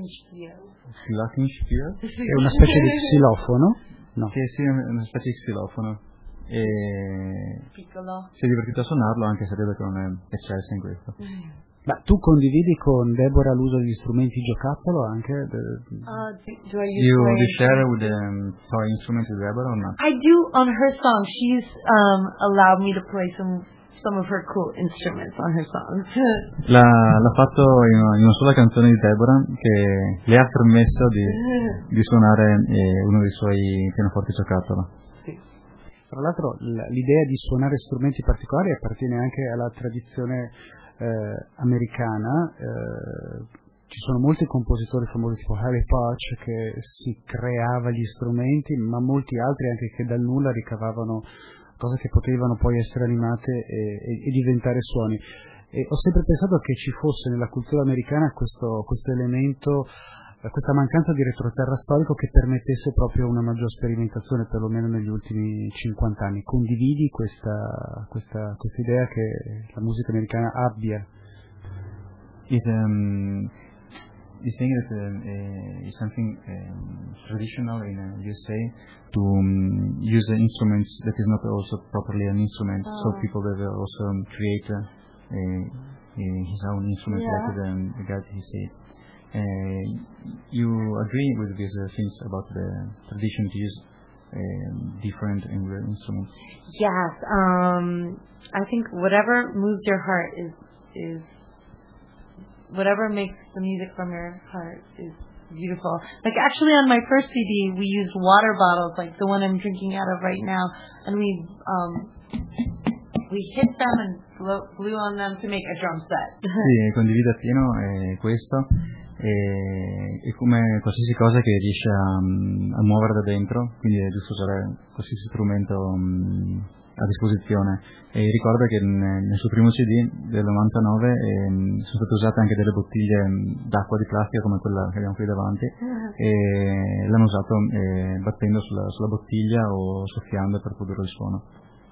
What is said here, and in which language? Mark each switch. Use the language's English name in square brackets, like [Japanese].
[English] glockenspiel. [Italian] È una specie di xilofono. No. Che sì, è una specie di xilofono. E piccolo. Si è divertito a suonarlo, anche se vedo che non è eccesso in questo. Ma tu condividi con Deborah l'uso degli strumenti giocattolo anche? [English] Do you share with the toy instrument with Deborah or not? I do on her song. She's allowed me to play some of her cool instruments on her songs. [Italian] l'ha fatto in una sola canzone di Deborah, che le ha permesso di suonare uno dei suoi pianoforti giocattolo. Tra l'altro l'idea di suonare strumenti particolari appartiene anche alla tradizione americana. Ci sono molti compositori famosi tipo Harry Potch che si creava gli strumenti, ma molti altri anche che dal nulla ricavavano cose che potevano poi essere animate e diventare suoni. E ho sempre pensato che ci fosse nella cultura americana questo elemento, questa mancanza di retroterra storico che permettesse proprio una maggiore sperimentazione, perlomeno negli ultimi 50 anni. Condividi questa idea che la musica americana abbia? [English] You saying that is something traditional in USA to use instruments that is not also properly an instrument, so people that also create his own instrument, yeah, like the guy he said. you agree with these things about the tradition to use different English instruments? Yes, I think whatever moves your heart is whatever makes the music from your heart is beautiful. Like, actually, on my first CD, we used water bottles, like the one I'm drinking out of right now, and we hit them and blew on them to make a drum set. [Italian] Sì, condivido appieno questo. E come qualsiasi cosa che riesce a muovere da dentro, quindi è giusto usare qualsiasi strumento a disposizione. E ricordo che nel suo primo CD del 99 sono state usate anche delle bottiglie d'acqua di plastica come quella che abbiamo qui davanti, e l'hanno usato battendo sulla bottiglia o soffiando per produrre il suono.